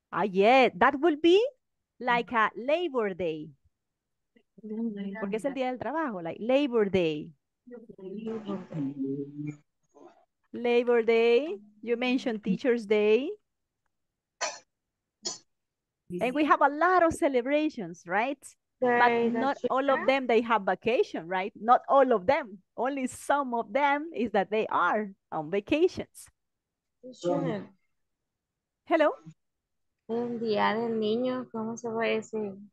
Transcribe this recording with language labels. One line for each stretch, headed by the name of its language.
English: Yeah, that would be like a Labor Day.
Spanish: Porque es el día del trabajo, like Labor Day.
English: Labor Day. You mentioned Teacher's Day. And we have a lot of celebrations, right? But not all of them, they have vacation, right? Not all of them. Only some of them is that they are on vacations. Hello?
Spanish: El día del niño, ¿cómo se puede decir?